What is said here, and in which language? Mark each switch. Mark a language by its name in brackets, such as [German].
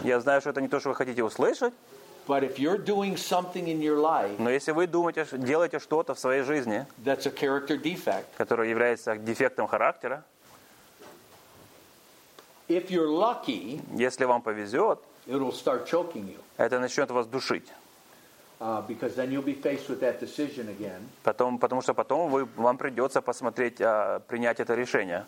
[Russian] Я знаю, что это не то, что вы хотите услышать. [English] But if you're doing something in your life, [Russian] но если вы думаете, делаете что-то в своей жизни, [English] that's a character defect, [Russian] которое является дефектом характера, [English] if you're lucky, [Russian] если вам повезет, [English] it'll start choking you. [Russian] Это начнет вас душить. [English] Because then you'll be faced with that decision again. [Russian] Потому что потом вам придется принять это решение.